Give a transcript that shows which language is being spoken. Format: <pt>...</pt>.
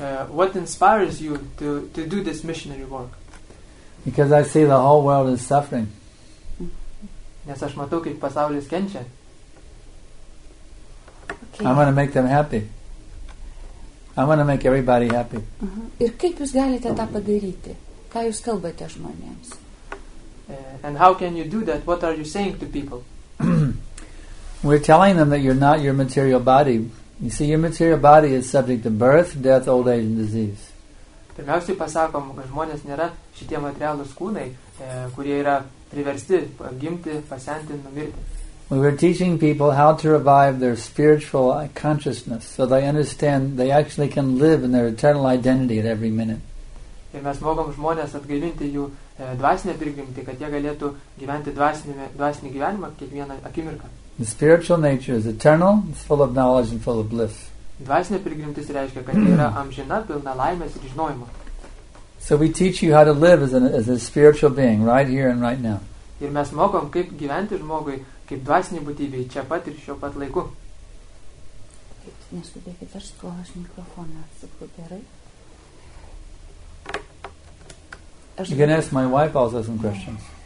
<en>What inspires you to do this missionary work? Because I see the whole world is suffering.</en> <lt>Nes aš matau, kaip pasaulis kenčia.</lt> <en>I want to make them happy. I want to make everybody happy.</en> <lt>Ir kaip jūs galite tą padaryti? Ką jūs kalbate žmonėms?</lt> <en>And how can you do that? What are you saying to people? We're telling them that you're not your material body. You see, your material body is subject to birth, death, old age, and disease.</en> <lt>Pirmiausiai pasakom, kad žmonės nėra šitie materialūs kūnai, kurie yra priversti gimti, pasenti, numirti.</lt> <en>We were teaching people how to revive their spiritual consciousness so they understand they actually can live in their eternal identity at every minute.</en> <lt>Ir mes mokom žmonės atgaivinti jų dvasinę prigimtį, kad jie galėtų gyventi dvasinį gyvenimą kiekvieną akimirką.</lt> <en>The spiritual nature is eternal, it's full of knowledge and full of bliss.</en> <lt>Dvasinė prigimtis reiškia, kad yra amžina, pilna laimės ir žinojimo.</lt> <en>So we teach you how to live as a spiritual being, right here and right now.</en> <lt>Ir mes mokom, kaip gyventi žmogui, kaip dvasinė būtybė, čia pat ir šio pat laiku. Neskubėkite, aš skolas mikrofoną atsipu, gerai.</lt> <en>You can ask my wife also some questions.</en>